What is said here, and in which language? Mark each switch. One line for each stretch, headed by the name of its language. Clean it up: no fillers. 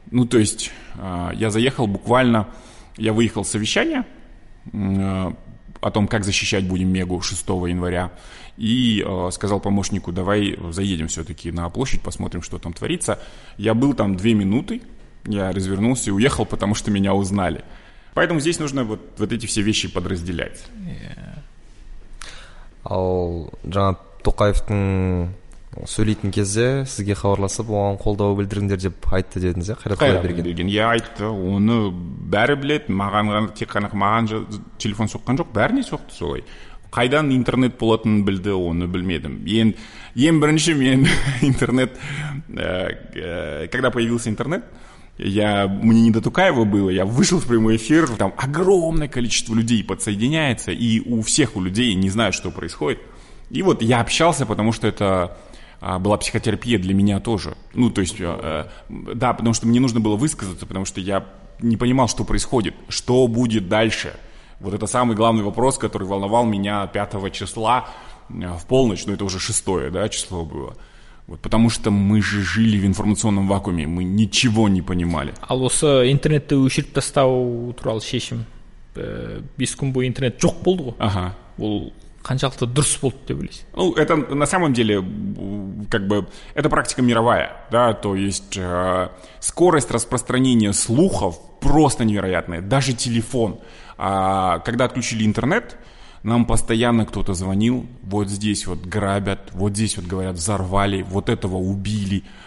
Russian: Ну, то есть, я заехал буквально, я выехал с совещания о том, как защищать будем Мегу 6 января, и сказал помощнику, давай заедем все-таки на площадь, посмотрим, что там творится. Я был там 2 минуты, я развернулся и уехал, потому что меня узнали. Поэтому здесь нужно вот эти все вещи подразделять.
Kazakh: Ал жаңа Тоқаевтың сөйлейтін кезде сізге хабарласып, оған қолдау білдіріңдер деп айтты дедіңіз, иә? Қайрат Құдайберген. Иә, айтты. Оны бәрі білет. Маған тек қана маған телефон соққан жоқ, бәріне соқты солай. Қайдан интернет болатынын білді, оны білмедім. Ең бірінші мен интернет,
Russian: когда появился интернет, мне не до Тукаева было, я вышел в прямой эфир, там огромное количество людей подсоединяется, и у всех у людей не знают, что происходит. И вот я общался, потому что это была психотерапия для меня тоже. Ну, то есть, да, потому что мне нужно было высказаться, потому что я не понимал, что происходит, что будет дальше. Вот это самый главный вопрос, который волновал меня 5 числа в полночь, ну, это уже 6-е, да, число было. Вот, потому что мы же жили в информационном вакууме, мы ничего не понимали.
Kazakh: Ал осы интернетті өшіріп тастау туралы шешім, 5 күн бойы интернет жоқ болды ғой. Ага. Ол қаншалықты дұрыс болды деп ойлайсың?
Russian: Ну, это на самом деле, как бы, это практика мировая, да, то есть скорость распространения слухов просто невероятная, даже телефон. Когда отключили интернет, нам постоянно кто-то звонил, вот здесь вот грабят, вот здесь вот, говорят, взорвали, вот этого убили.